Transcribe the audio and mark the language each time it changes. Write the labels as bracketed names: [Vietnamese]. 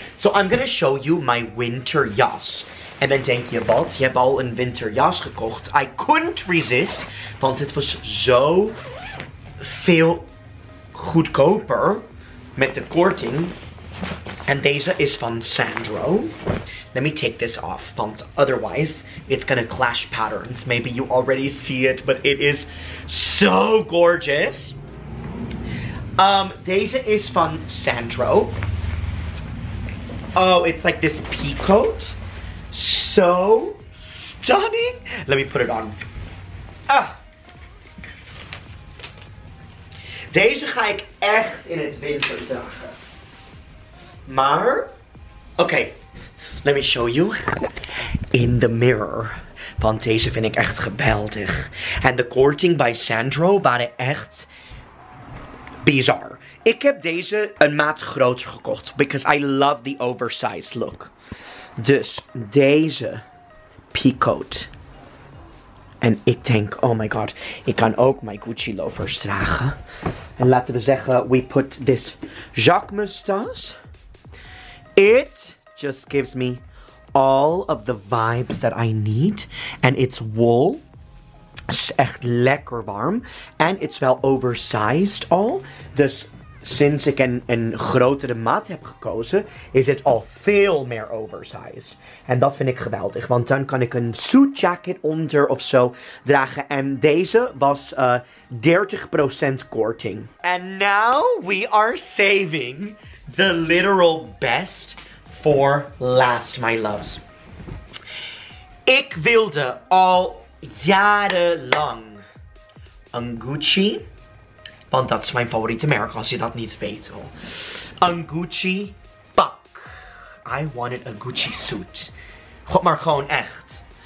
[English] So I'm gonna show you my winter jas. [Dutch] En dan denk je, wat? Je hebt al een winter jas gekocht. [English] I couldn't resist. [Dutch] Want het was zo veel goedkoper. Met de korting. [English] And Deja is from Sandro. Let me take this off, but otherwise it's gonna clash patterns. Maybe you already see it, but it is so gorgeous. Deja is from Sandro. Oh, it's like this peacoat. So stunning. Let me put it on. Ah. [Dutch] Deze ga ik echt in het winter dragen. Maar, okay. [English] Let me show you in the mirror. [Dutch] Want deze vind ik echt geweldig. En de korting bij Sandro waren echt bizar. Ik heb deze een maat groter gekocht. [English] Because I love the oversized look. [Dutch] Dus deze peacoat. En ik denk, [English] oh my god, [Dutch] ik kan ook mijn Gucci loafers dragen. En laten we zeggen, [English] we put this [Dutch] Jacques Moustache. [English] It just gives me all of the vibes that I need. And it's wool. It's [Dutch] echt lekker warm. [English] And it's wel oversized all. [Dutch] Dus sinds ik een grotere maat heb gekozen, is het al veel meer oversized. En dat vind ik geweldig. Want dan kan ik een suit jacket onder of zo dragen. En deze was 30% korting. [English] And now we are saving the literal best for last, my loves. [Dutch] Ik wilde al jarenlang een Gucci. Want dat is mijn favoriete merk, als je dat niet weet. [English] Oh. [Dutch] Een Gucci pak. [English] I wanted a Gucci suit. [Dutch] God, maar gewoon echt.